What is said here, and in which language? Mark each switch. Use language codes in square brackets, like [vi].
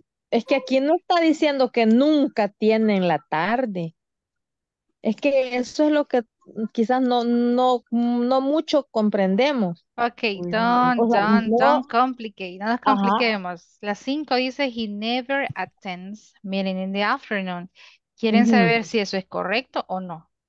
[es] Es que aquí no está diciendo que nunca tiene en la tarde. Es que eso es lo que quizás no mucho comprendemos. Ok, [en] don't complicate. [es] No nos compliquemos. Ajá. Las 5 dice [en] he never attends meeting in the afternoon. [es] ¿Quieren saber si eso es correcto o no?